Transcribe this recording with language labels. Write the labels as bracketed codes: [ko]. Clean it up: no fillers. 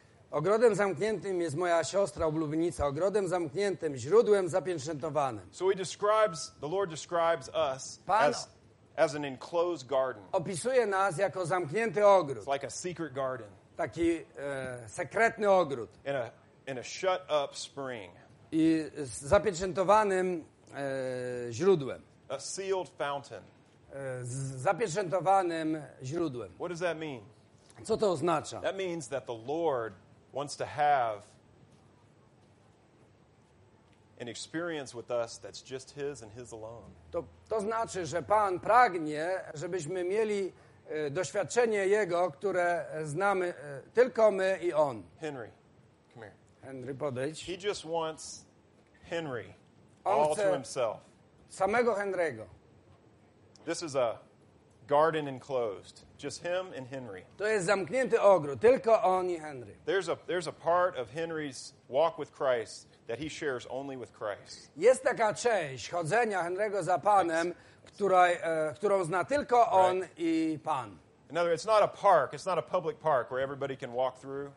[pl] Ogrodem zamkniętym jest moja siostra, oblubienica. Ogrodem zamkniętym, źródłem zapieczętowanym. [en] So he describes, the Lord describes us as an enclosed garden. [pl] Opisuje nas jako zamknięty ogród. [en] It's like a secret garden. [pl] Taki sekretny ogród. [en] In a shut up spring. [pl] I z zapieczętowanym źródłem. [en] A sealed fountain. [pl] Z zapieczętowanym źródłem. [en] What does that mean? [pl] Co to oznacza? [en] That means that the Lord wants to have an experience with us that's just His and His alone. [pl] To znaczy, że Pan pragnie, żebyśmy mieli doświadczenie Jego, które znamy tylko my i On. [en] Henry, come here. [pl] Henry, podejdź. [en] He just wants Henry all to himself. [pl] Samego Henry'ego. [en] This is a garden enclosed, just him and Henry. [pl] To jest zamknięty ogród, tylko on i Henry. [en] There's a part of Henry's walk with Christ that he shares only with Christ. [pl] Jest taka część chodzenia Henry'ego za Panem, którą zna tylko on i Pan. [en] Another, it's not a park, it's not a public park where everybody can walk through.